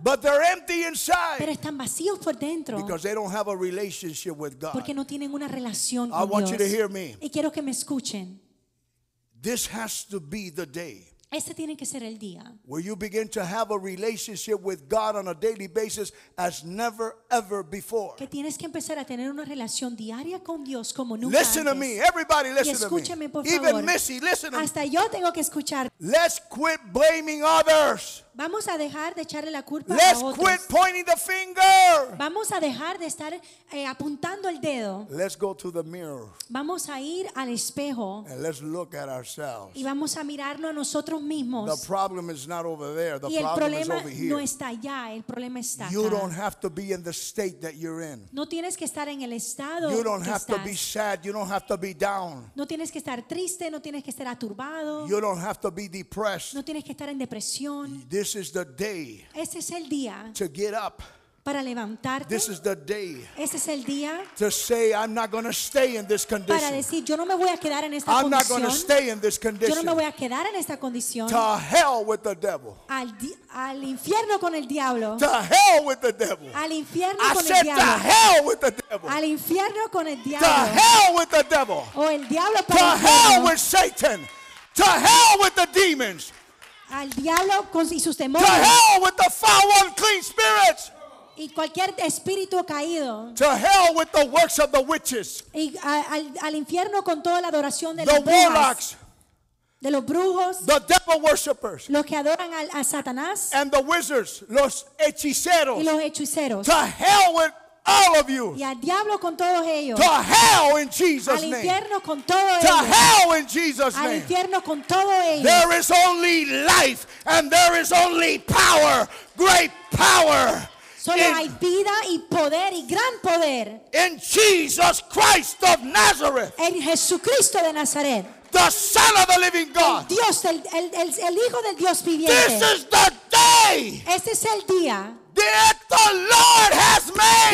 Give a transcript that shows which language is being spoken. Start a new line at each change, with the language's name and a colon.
English: But they're empty inside.
Spanish: Pero están vacíos por dentro.
English: Because they don't have a relationship with God.
Spanish: Porque no tienen una relación con
English: Dios. I want
Spanish: Dios.
English: You to hear me.
Spanish: Y quiero que me escuchen.
English: This has to be the day.
Spanish: Este tiene que ser el día.
English: Where you begin to have a relationship with God on a daily basis as never ever before.
Spanish: Que tienes que empezar a tener una relación diaria con Dios como nunca
English: listen
Spanish: antes.
English: To me, everybody listen
Spanish: y escúcheme,
English: to me.
Spanish: Por favor.
English: Even Missy, listen to
Spanish: Hasta
English: me.
Spanish: Yo tengo que escuchar.
English: Let's quit blaming others.
Spanish: Vamos a dejar de echarle la culpa
English: Let's
Spanish: a otros.
English: Quit pointing the finger.
Spanish: Vamos a dejar de estar apuntando el dedo.
English: Let's go to the mirror.
Spanish: Vamos a ir al espejo.
English: And let's look at ourselves.
Spanish: Y vamos a mirarnos a nosotros
English: The problem is not over there. The
Spanish: y el problema
English: problem is over here.
Spanish: No está allá. El problema está
English: you
Spanish: acá.
English: Don't have to be in the state that you're in.
Spanish: No tienes que estar en el estado
English: you don't
Spanish: que
English: have
Spanish: estás.
English: To be sad. You don't have to be down.
Spanish: No tienes que estar triste. No tienes que estar aturbado.
English: You don't have to be depressed.
Spanish: No tienes que estar en depresión.
English: This is the day
Spanish: este es el día
English: to get up.
Spanish: Para levantarte.
English: This is the day
Spanish: este es el día
English: to say I'm not going to stay in this condition.
Spanish: Para decir, yo no me voy a quedar en esta
English: I'm
Spanish: condición.
English: Not going to stay in this condition.
Spanish: Yo no me voy a quedar en esta condición.
English: To hell with the devil.
Spanish: Al infierno con el diablo.
English: To hell with the devil.
Spanish: Al infierno
English: I
Spanish: con
English: said,
Spanish: el diablo.
English: To hell with the devil.
Spanish: Al infierno con el diablo.
English: To hell with the devil.
Spanish: O el diablo para
English: to
Spanish: el
English: hell
Spanish: diablo.
English: With Satan. To hell with the demons.
Spanish: Al diablo con y sus demonios.
English: To hell with the foul unclean spirits.
Spanish: Y cualquier espíritu caído.
English: To hell with the works of the witches.
Spanish: Y al infierno con toda la adoración de
English: the
Spanish: las brujas.
English: Warlocks.
Spanish: De los brujos.
English: The devil worshippers.
Spanish: Los que adoran a Satanás.
English: And the wizards,
Spanish: los hechiceros. Y los hechiceros.
English: To hell with all of you.
Spanish: Y al diablo con todos ellos.
English: To hell in Jesus' name.
Spanish: Al infierno con todos ellos.
English: To hell in Jesus' name.
Spanish: Al infierno con todos ellos.
English: There is only life and there is only power, great power.
Spanish: Solo hay vida y poder y gran poder.
English: In Jesus Christ of Nazareth.
Spanish: En Jesucristo de Nazaret.
English: The Son of the Living God.
Spanish: El Dios, el Hijo del Dios viviente.
English: This is the day.
Spanish: Este es el día.
English: That the Lord has made.